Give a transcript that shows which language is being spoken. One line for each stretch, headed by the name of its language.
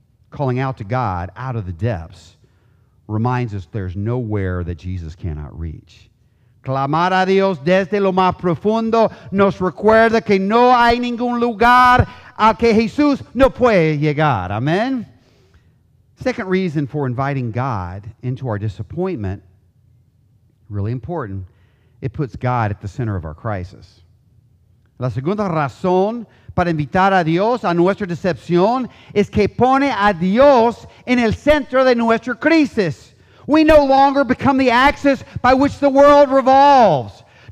English: Calling out to God out of the depths reminds us there's nowhere that Jesus cannot reach.
Spanish: Clamar a Dios desde lo más profundo nos recuerda que no hay ningún lugar al que Jesús no puede llegar.
English: Amen. Second reason for inviting God into our disappointment, really important, it puts God at the center of our crisis.
Spanish: La segunda razón para invitar a Dios a nuestra decepción es que pone a Dios en el centro de nuestra crisis.
English: We no longer become the axis by which the world revolves.